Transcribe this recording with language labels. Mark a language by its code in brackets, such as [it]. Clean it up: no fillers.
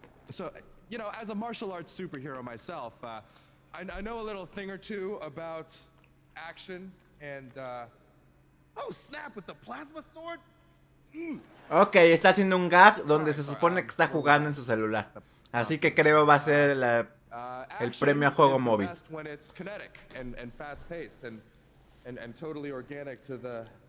[en] So, you know, as a martial arts superhero myself, I know a little thing or two about action and oh snap, with the plasma sword. [es] Okay, está haciendo un gag donde se supone que está jugando en su celular. Así que creo va a ser la el premio a juego móvil. [en] When it's kinetic and fast-paced and totally organic to the